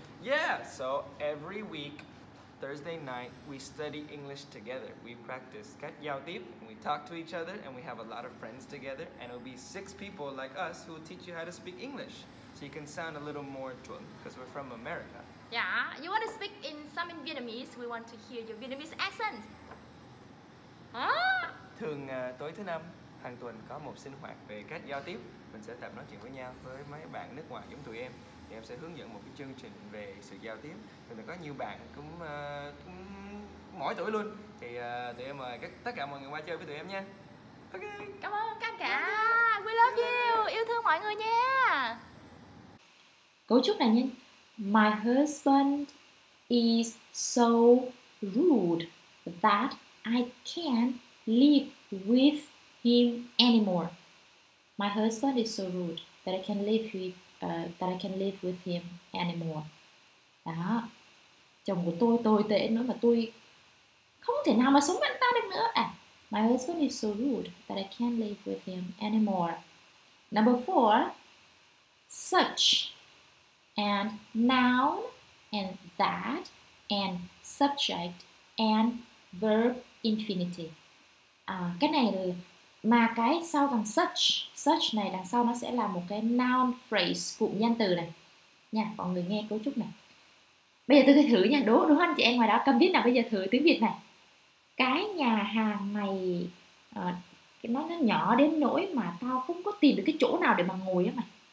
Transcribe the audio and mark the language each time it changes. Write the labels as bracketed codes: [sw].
[en] Yeah, so every week, Thursday night, we study English together. We practice [vi] cách giao tiếp, [en] we talk to each other, and we have a lot of friends together. And it'll be six people like us who will teach you how to speak English. So you can sound a little more chuẩn, because we're from America. Yeah, you want to speak in some in Vietnamese? We want to hear your Vietnamese accent. [vi] À. Thường tối thứ năm hàng tuần có một sinh hoạt về cách giao tiếp. Mình sẽ tập nói chuyện với nhau với mấy bạn nước ngoài giống tụi em. Thì em sẽ hướng dẫn một cái chương trình về sự giao tiếp. Thì có nhiều bạn cũng mỗi tuổi luôn. Thì tụi em mời tất cả mọi người qua chơi với tụi em nha. [en] Ok. [vi] Cảm ơn các cả. [en] We love you. [vi] Yêu thương mọi người nha. Cấu trúc này nha. [en] My husband is so rude that I can't live with him anymore. My husband is so rude that that I can live with that I can live with him anymore. [vi] Đó, chồng của tôi tồi tệ nữa mà tôi không thể nào mà sống với anh ta được nữa. [en] My husband is so rude that I can't live with him anymore. Number four, such and noun and that and subject and verb infinitive. [vi] À, cái này mà cái sau thằng such này đằng sau nó sẽ là một cái noun phrase, cụm danh từ này nha. Mọi người nghe cấu trúc này. Bây giờ tôi sẽ thử nha, đúng anh chị em ngoài đó cầm viết nào, bây giờ thử tiếng Việt này. Cái nhà hàng này nó nhỏ đến nỗi mà tao không có tìm được cái chỗ nào để mà ngồi á mày.